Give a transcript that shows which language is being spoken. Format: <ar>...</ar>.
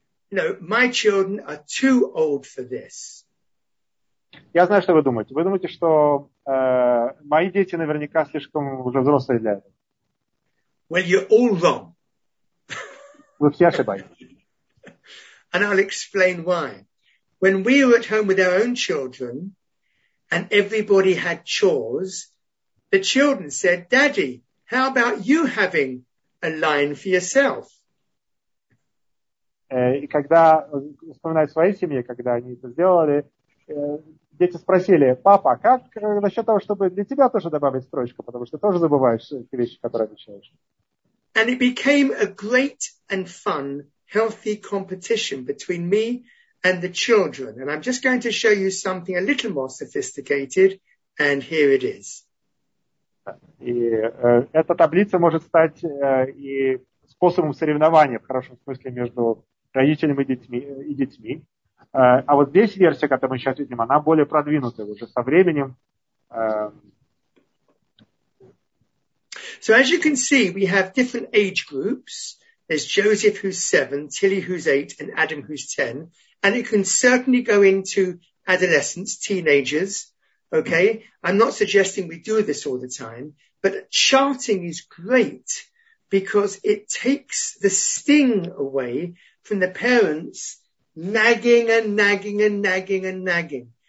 <en>You know, my children are too old for this.</en> <ru>Я знаю, что вы думаете. Вы думаете, что мои дети наверняка слишком уже взрослые для этого.</ru> <en>Well, you're all wrong.</en> <ru>Вы все ошибаетесь.</ru> <en>And I'll explain why. When we were at home with our own children, and everybody had chores, the children said, "Daddy, how about you having a line for yourself?"</en> <ru>И когда вспоминают свои семьи, когда они это сделали, дети спросили: "Папа, как насчет того, чтобы для тебя тоже добавить строчку, потому что тоже забываешь те вещи, которые обещаешь?"</ru> <en>And it became a great and fun, healthy competition between me and the children. And I'm just going to show you something a little more sophisticated, and here it is.</en> <ru>И эта таблица может стать и способом соревнования в хорошем смысле между родителями и детьми. А вот здесь версия, которую мы сейчас видим, она более продвинутая уже со временем.</ru> <en>So as you can see, we have different age groups. There's Joseph, who's 7, Tilly, who's 8, and Adam, who's 10. And it can certainly go into adolescence, teenagers, okay? I'm not suggesting we do this all the time, but charting is great because it takes the sting away from the parents nagging and nagging and nagging and nagging.</en>